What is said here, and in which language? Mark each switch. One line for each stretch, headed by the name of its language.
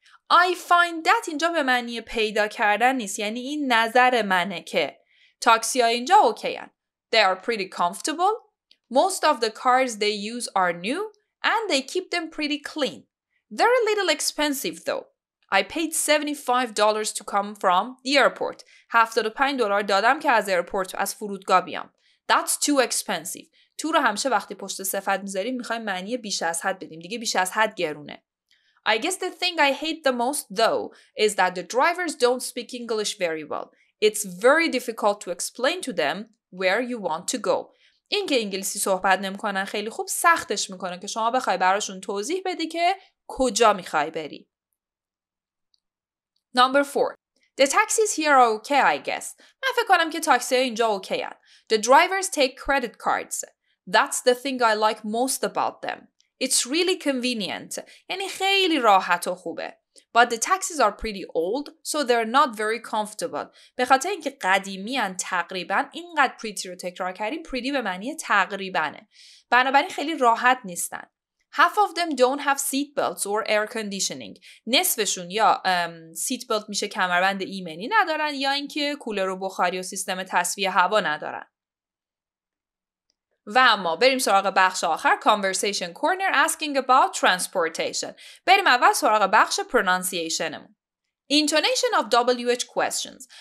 English: I find that
Persian: اینجا به معنی پیدا کردن نیست. یعنی این نظر منه که تاکسی ها اینجا اوکی هن.
English: They are pretty comfortable. Most of the cars they use are new. And they keep them pretty clean. They're a little expensive though. I paid $75 to come from the airport.
Persian: $75 دادم که از ایرپورت از فرودگاه بیام.
English: That's too expensive.
Persian: تو رو همشه وقتی پشت صفت میذاریم میخوایم معنی بیش از حد بدیم. دیگه بیش از حد گرونه.
English: I guess the thing I hate the most, though, is that the drivers don't speak English very well. It's very difficult to explain to them where you want to go.
Persian: این که انگلیسی صحبت نمی‌کنن خیلی خوب سختش می‌کنه که شما بخوای براشون توضیح بدی که کجا می‌خوای بری.
English: Number 4. The taxis here are okay, I guess.
Persian: من فکر کنم که تاکسی‌ها اینجا اوکی‌اند.
English: The drivers take credit cards. That's the thing I like most about them. It's really convenient.
Persian: یعنی خیلی راحت و خوبه.
English: But the taxis are pretty old, so they're not very comfortable.
Persian: به خاطر اینکه قدیمیان تقریبا اینقدر pretty رو تکرار کردیم pretty به معنی تقریبانه. بنابراین خیلی راحت نیستن.
English: Half of them don't have seat belts or air conditioning.
Persian: نصفشون یا seat belt میشه کمربند ایمنی ندارن یا اینکه کولر و بخاری و سیستم تصفیه هوا ندارن. و اما بریم سراغ بخش آخر
English: conversation corner asking about transportation.
Persian: بریم اول سراغ بخش pronunciationمون.
English: Intonation of WH questions.